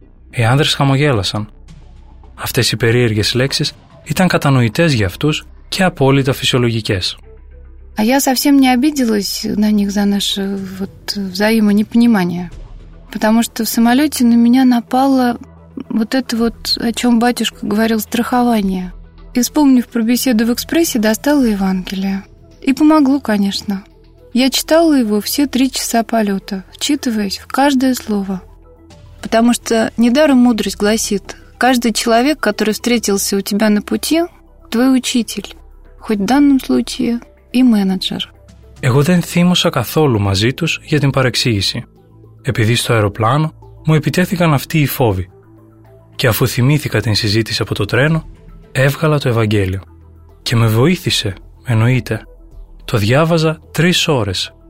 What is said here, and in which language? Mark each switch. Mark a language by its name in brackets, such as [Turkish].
[Greek] Οι άνδρες χαμογέλασαν. Αυτές οι περίεργες λέξεις ήταν κατανοητές για αυτούς και απόλυτα φυσιολογικές. [Russian] А я совсем не обиделась на них за наше вот взаимонепонимание, потому что в самолете на меня напало вот это вот, о чем батюшка говорил, страхование. И вспомнив про беседу в экспрессе, достала Евангелие. И помогло, конечно. Я читала его все 3 часа полета, вчитываясь в каждое слово. Потому что недаром мудрость гласит, каждый человек, который встретился у тебя на пути, твой учитель, хоть в данном случае и менеджер. [Greek] Εγώ δεν θύμωσα καθόλου μαζί τους για την παρεξήγηση. Επειδή στο αεροπλάνο μου επιτέθηκαν αυτοί οι φόβοι. Και αφού θυμήθηκα την συζήτηση από το τρένο, έβγαλα το Ευαγγέλιο. Και με βοήθησε, εννοείται. Το διάβαζα 3 ώρες,